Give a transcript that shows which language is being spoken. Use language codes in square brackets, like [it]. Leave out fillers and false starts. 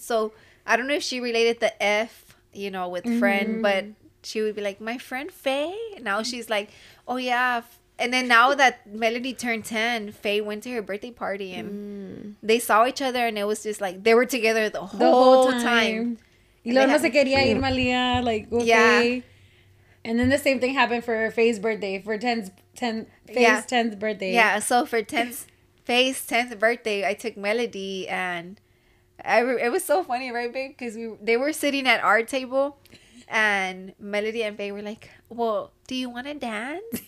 [en] So I don't know if she related the F, you know, with friend, but she would be like, my friend Faye. Now she's like, oh yeah. And then now that Melody turned 10, Faye went to her birthday party and they saw each other, and it was just like they were together the whole time. [es] Y luego no se quería ir Malia, [en] like, okay. Yeah. And then the same thing happened for Faye's birthday, for 10th birthday. Yeah, so for Faye's 10th birthday, I took Melody, and it was so funny, right, babe? Because they were sitting at our table. And Melody and Faye were like, well, do you want to dance?